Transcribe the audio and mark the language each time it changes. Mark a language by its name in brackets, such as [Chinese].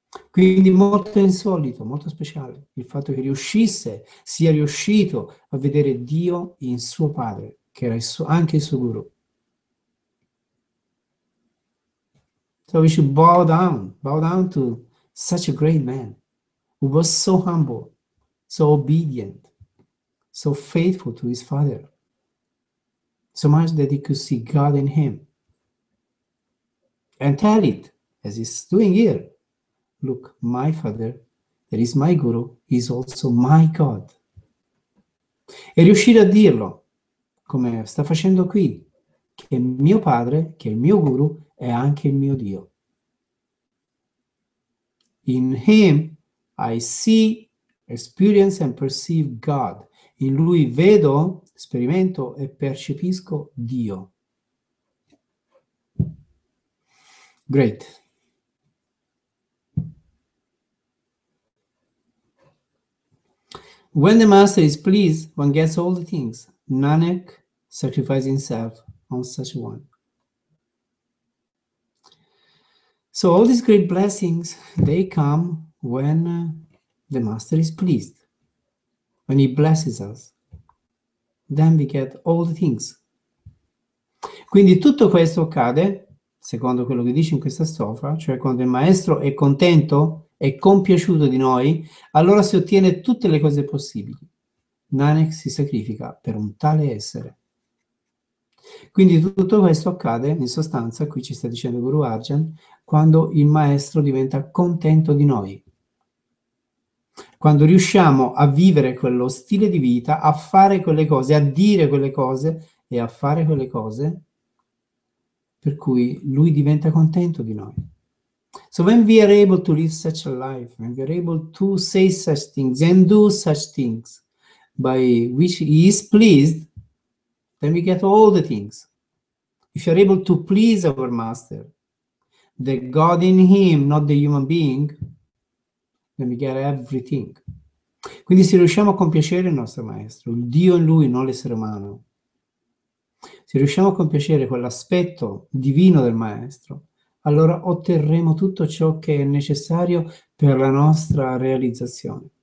[Italian] Quindi molto insolito, molto speciale, il fatto che riuscisse, sia riuscito a vedere Dio in suo padre, che era anche il suo guru. [English] So we should bow down to such a great man who was so humble, so obedient, so faithful to his father, so much that he could see God in him and tell it as he's doing here. Look, my father, that is my guru, is also my God. [Italian] E riuscire a dirlo, come sta facendo qui, che mio padre, che il mio guru, è anche il mio Dio. [English] In him I see, experience and perceive God. [Italian] In lui vedo, sperimento e percepisco Dio. [English] Great. When the master is pleased, one gets all the things. Nanak sacrifices himself on such one. So all these great blessings, they come when the master is pleased, when he blesses us. Then we get all the things. [Italian] Quindi tutto questo accade, secondo quello che dice in questa strofa, cioè quando il maestro è contento è compiaciuto di noi, allora si ottiene tutte le cose possibili. Nanak si sacrifica per un tale essere. Quindi tutto questo accade, in sostanza, qui ci sta dicendo Guru Arjan, quando il maestro diventa contento di noi. Quando riusciamo a vivere quello stile di vita, a fare quelle cose, a dire quelle cose e a fare quelle cose, per cui lui diventa contento di noi. [English] So when we are able to live such a life, when we are able to say such things and do such things by which he is pleased, then we get all the things. If you are able to please our master, the God in him, not the human being, then we get everything. [Italian] Quindi se riusciamo a compiacere il nostro maestro, il Dio in lui, non l'essere umano, se riusciamo a compiacere quell'aspetto divino del maestro, allora otterremo tutto ciò che è necessario per la nostra realizzazione.